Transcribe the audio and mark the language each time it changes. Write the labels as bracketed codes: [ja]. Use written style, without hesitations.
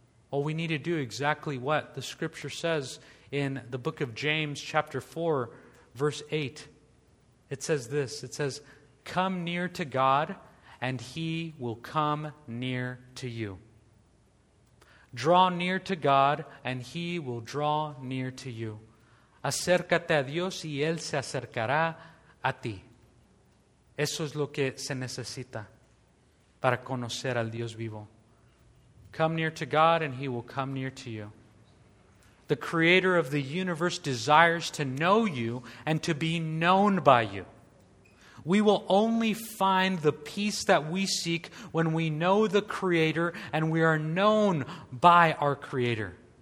[en] Well, we need to do exactly what the scripture says in the book of James chapter 4, verse 8. It says this, it says, come near to God and he will come near to you. Draw near to God and he will draw near to you. [es] Acércate a Dios y él se acercará a ti. Eso es lo que se necesita para conocer al Dios vivo. [en] Come near to God and he will come near to you. The creator of the universe desires to know you and to be known by you. We will only find the peace that we seek when we know the creator and we are known by our creator.